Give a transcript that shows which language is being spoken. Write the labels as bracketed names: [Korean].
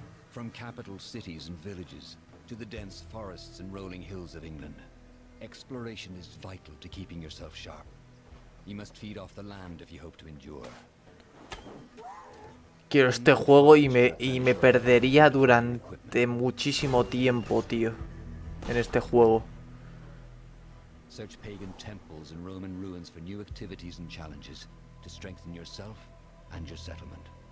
[English] From capital cities and villages to the dense forests and rolling hills of England, exploration is vital to keeping yourself sharp. You must feed off the land if you hope to endure. [Spanish] Quiero este juego y me perdería durante muchísimo tiempo, tío, en este juego. [English] Search pagan temples and Roman ruins for new activities and challenges to strengthen yourself and your settlement.